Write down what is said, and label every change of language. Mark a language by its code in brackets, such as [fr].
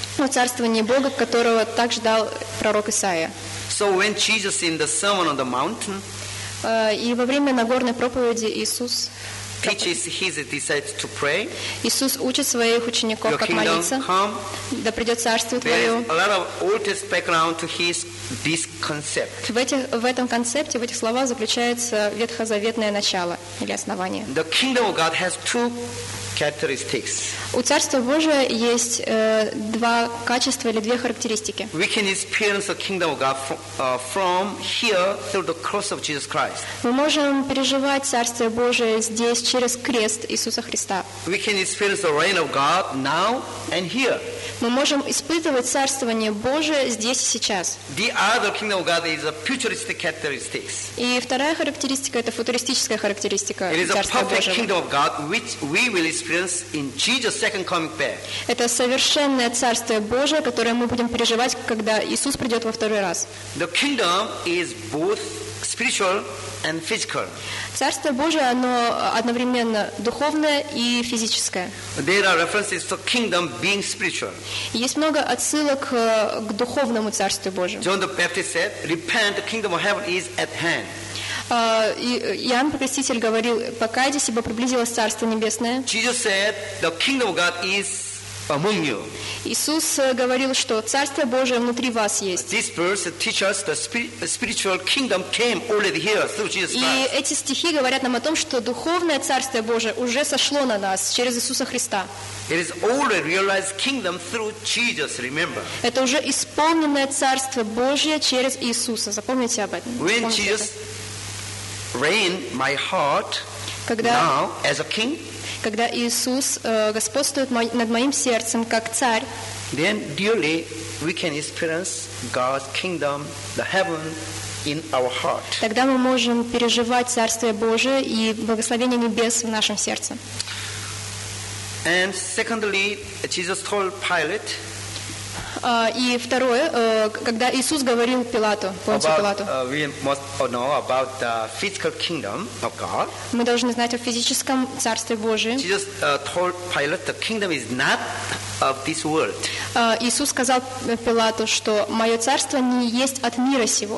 [ru] Царствование Бога, которого так ждал пророк Исаия. [en] So when Jesus in the Sermon on the Mountain, [ru] и во время Нагорной проповеди Иисус [en] teaches his disciples to pray. [ru] Иисус учит своих учеников как молиться. Да придет царствие Твое. [en] There is a lot of Old Testament background to this concept. [ru] В этом концепте, в этих словах заключается ветхозаветное начало или основание. [en] The kingdom of God has two characteristics. [ru] У царства Божия есть два качества или две характеристики. [en] We can experience the kingdom of God from here through the cross of Jesus Christ. [ru] Мы можем переживать царствие Божие здесь через крест Иисуса Христа. [en] We can experience the reign of God now and here. [ru] Мы можем испытывать царствование Божие здесь и сейчас. [en] The other kingdom of God is a futuristic characteristic. [ru] И вторая характеристика это футуристическая характеристика царства Божьего. [en] It is a perfect kingdom of God which we will experience in Jesus' second coming back. [ru] Это совершенное царствие Божие, которое мы будем переживать, когда Иисус придет во второй раз. [en] The kingdom is both spiritual and physical. [ru] Царство Божие, оно одновременно духовное и физическое. [en] There are references to kingdom being spiritual. [ru] Есть много отсылок к духовному царству Божьему. [en] John the Baptist said, "Repent, the kingdom of heaven is at hand." [ru] Иоанн Креститель говорил, покайтесь, ибо приблизилось Царство Небесное. [en] Jesus said, the kingdom of God is among you. [ru] Иисус говорил, что Царство Божие внутри вас есть. [en] This verse teaches us the spiritual kingdom came already here through Jesus Christ. [ru] И эти стихи говорят нам о том, что духовное Царствие Божие уже сошло на нас через Иисуса Христа. [en] It is already realized kingdom through Jesus. Remember. [ru] Это уже исполненное Царство Божие через Иисуса. Запомните об этом. [en] When Jesus reign my heart now as a king. [ru] Когда Иисус господствует над моим сердцем как царь. [en] Then duly we can experience God's kingdom, the heaven in our heart. [ru] Тогда мы можем переживать царствие Божие и благословение небес в нашем сердце. [en] And secondly, Jesus told Pilate. [ru] И второе, когда Иисус говорил Пилату, Понтию Пилату, [en] we must know about the physical kingdom of God. [ru] Мы должны знать о физическом царстве Божьем. [en] Jesus told Pilate, the kingdom is not of this world. [ru] Иисус сказал Пилату, что мое царство не есть от мира сего.